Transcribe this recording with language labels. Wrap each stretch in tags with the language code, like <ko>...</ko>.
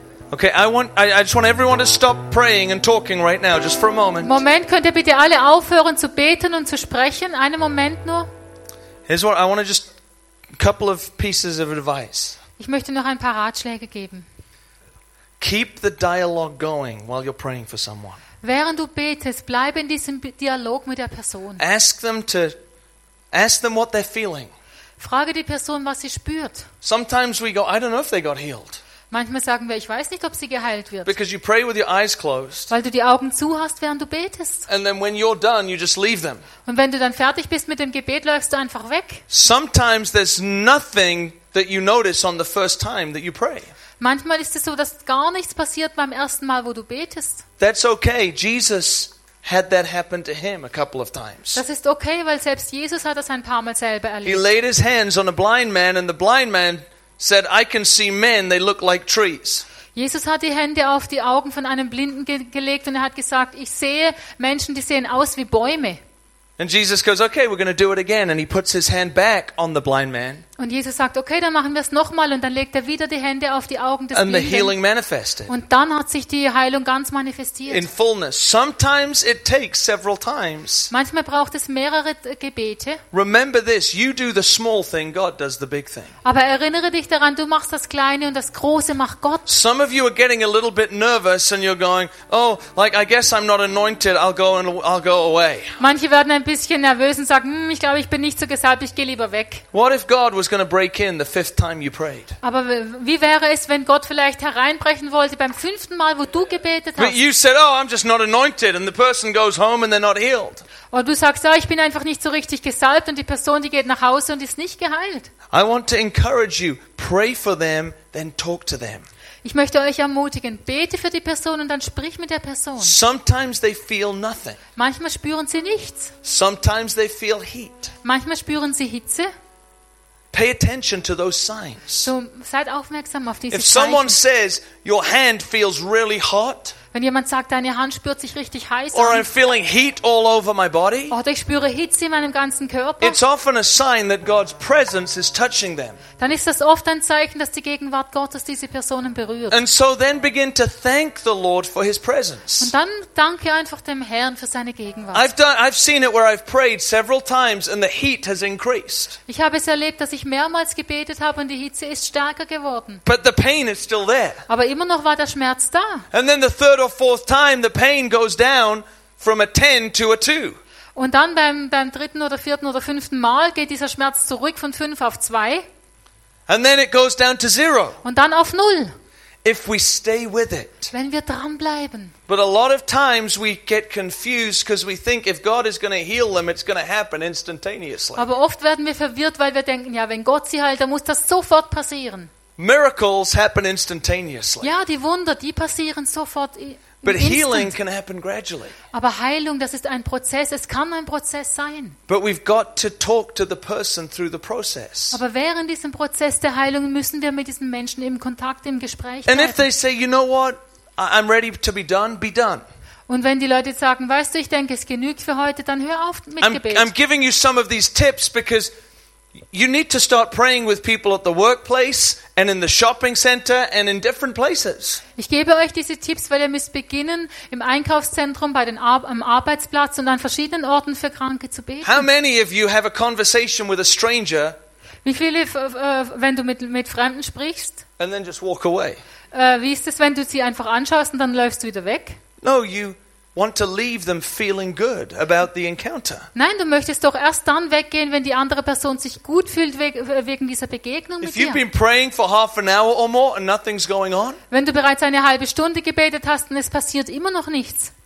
<en>Okay, I just want everyone to stop praying and talking right now, just for a moment.</en> <de>Moment, könnt ihr bitte alle aufhören zu beten und zu sprechen? Einen Moment nur.</de> <en>Here's what I want to just a couple of pieces of advice.</en> <de>Ich möchte noch ein paar Ratschläge geben.</de> <en>Keep the dialogue going while you're praying for someone.</en> <de>Während du betest, bleib in diesem Dialog mit der Person.</de> <en>Ask them what they're feeling.</en> <de>Frage die Person, was sie spürt.</de> <en>Sometimes we go, I don't know if they got healed.</en> <de>Manchmal sagen wir, ich weiß nicht, ob sie geheilt wird.</de> <en>Because you pray with your eyes closed.</en> <de>Weil du die Augen zu hast, während du betest.</de> <en>And then when you're done, you just leave them.</en> <de>Und wenn du dann fertig bist mit dem Gebet, läufst du einfach weg.</de> <en>Sometimes there's nothing that you notice on the first time that you pray.</en> <de>Manchmal ist es so, dass gar nichts passiert beim ersten Mal, wo du betest.</de> <en>That's okay. Jesus had that happen to him a couple of times.</en> <de>Das ist okay, weil selbst Jesus hat das ein paar Mal selber erlebt.</de> <en>He laid his hands on a blind man and the blind man said, I can see men, they look like trees.</en> <de>Jesus hat die Hände auf die Augen von einem Blinden gelegt und er hat gesagt, ich sehe Menschen, die sehen aus wie Bäume.</de> <en>And Jesus goes, okay, we're going to do it again. And he puts his hand back on the blind man.</en> <de>Und Jesus sagt, okay, dann machen wir es nochmal. Und dann legt er wieder die Hände auf die Augen des Blinden.</de> <en>And the healing manifested.</en> <de>Und dann hat sich die Heilung ganz manifestiert.</de> <en>In fullness. Sometimes it takes several times.</en> <de>Manchmal braucht es mehrere Gebete.</de> <en>Remember this, you do the small thing, God does the big thing.</en> <de>Aber erinnere dich daran, du machst das Kleine und das Große macht Gott.</de> <en>Some of you are getting a little bit nervous and you're going, oh, like I guess I'm not anointed, I'll go away.</en> <de>Manche werden ein bisschen nervös und sagen, ich glaube, ich bin nicht so gesalbt, ich gehe lieber weg.</de> <en>What if God was going to break in the fifth time you prayed?</en> <de>Aber wie wäre es, wenn Gott vielleicht hereinbrechen wollte beim fünften Mal, wo du gebetet hast?</de> <en>But you said, oh, I'm just not anointed, and the person goes home and they're not healed.</en> <de>Und du sagst, ich bin einfach nicht so richtig gesalbt, und die Person, die geht nach Hause und ist nicht geheilt.</de> <en>I want to encourage you, pray for them, then talk to them.</en> <de>Ich möchte euch ermutigen, bete für die Person und dann sprich mit der Person.</de> <en>Sometimes they feel nothing.</en> <de>Manchmal spüren sie nichts.</de> <en>Sometimes they feel heat.</en> <de>Manchmal spüren sie Hitze.</de> <en>Pay attention to those signs.</en> <de>So, seid aufmerksam auf diese Zeichen.</de> <en>If someone says your hand feels really hot,</en> <de>wenn jemand sagt, deine Hand spürt sich richtig heiß,</de> <en>or I'm feeling heat all over my body,</en> <de>oder ich spüre Hitze in meinem ganzen Körper,</de> <en>it's often a sign that God's presence is touching them.</en> <de>Dann ist das oft ein Zeichen, dass die Gegenwart Gottes diese Personen berührt.</de> <en>And so then begin to thank the Lord for His presence.</en> <de>Und dann danke einfach dem Herrn für seine Gegenwart.</de> <en>I've seen it where I've prayed several times and the heat has increased.</en> <de>Ich habe es erlebt, dass ich mehrmals gebetet habe und die Hitze ist stärker geworden.</de> <en>But the pain is still there.</en> <de>Aber immer noch war der Schmerz da.</de> <en>And then the third or fourth time the pain goes down from a 10 to a 2.</en> <de>Und dann beim dritten oder vierten oder fünften Mal geht dieser Schmerz zurück von 5 auf 2.</de> <en>And then it goes down to 0.</en> <de>Und dann auf 0.</de> <en>If we stay with it.</en> <de>Wenn wir dran bleiben.</de> <en>But a lot of times we get confused because we think if God is going to heal them it's going to happen instantaneously.</en> <de>Aber oft werden wir verwirrt, weil wir denken, ja, wenn Gott sie heilt, dann muss das sofort passieren.</de> <en>Miracles happen instantaneously.</en> <de>Ja, die Wunder, die passieren sofort.</de> <en>But healing can happen gradually.</en> <de>Aber Heilung, das ist ein Prozess. Es kann ein Prozess sein.</de> <en>But we've got to talk to the person through the process.</en> <de>Aber während diesem Prozess der Heilung müssen wir mit diesen Menschen im Kontakt, im Gespräch bleiben.</de> <en>And if they say, you know what, I'm ready to be done, be done.</en> <de>Und wenn die Leute sagen, weißt du, ich denke, es genügt für heute, dann hör auf mit Gebet.</de> <en>I'm giving you some of these tips because you need to start praying with people at the workplace and in the shopping center and in different places.</en> <de>Ich gebe euch diese Tipps, weil ihr müsst beginnen im Einkaufszentrum, bei den am Arbeitsplatz und an verschiedenen Orten für Kranke zu beten.</de> <en>How many of you have a conversation with a stranger?</en> <de>Wie viele, wenn du mit Fremden sprichst?</de> <en>And then just walk away.</en> <de>Wie ist es, wenn du sie einfach anschaust und dann läufst du wieder weg?</de> <en>No, you want to leave them feeling good about the encounter.</en> <de>Nein, du möchtest doch erst dann weggehen, wenn die andere Person sich gut fühlt wegen dieser Begegnung mit dir.</de> <en>If you've been praying for half an hour or more and nothing's going on?</en> <de>Wenn du bereits eine halbe Stunde gebetet hast und es passiert immer noch nichts.</de>